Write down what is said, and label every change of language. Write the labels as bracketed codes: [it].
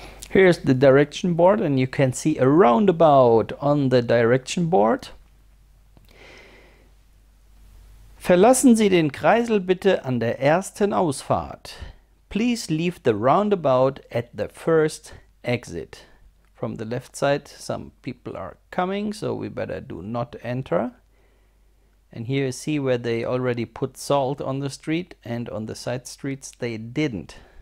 [en] Here's the direction board, and you can see a roundabout on the direction board. [de] Verlassen Sie den Kreisel bitte an der ersten Ausfahrt. [en] Please leave the roundabout at the first exit. From the left side, some people are coming, so we better do not enter. And here you see where they already put salt on the street, and on the side streets they didn't.